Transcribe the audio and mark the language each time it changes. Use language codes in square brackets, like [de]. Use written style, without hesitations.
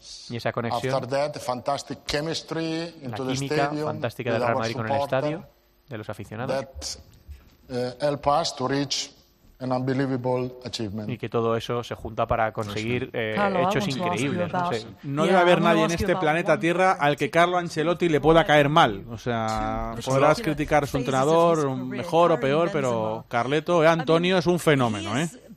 [es] Y esa conexión, [en] fantastic chemistry into the stadium, [es] la química fantástica del Real Madrid con el estadio, de los aficionados. [en] That helped us to reach an unbelievable achievement. [es] Y que todo eso se junta para conseguir hechos increíbles. No sé. No debe haber nadie en este planeta Tierra al que Carlo Ancelotti le pueda caer mal. O sea, podrás criticar a su entrenador mejor o peor, pero Carleto, Antonio, es un fenómeno, ¿eh?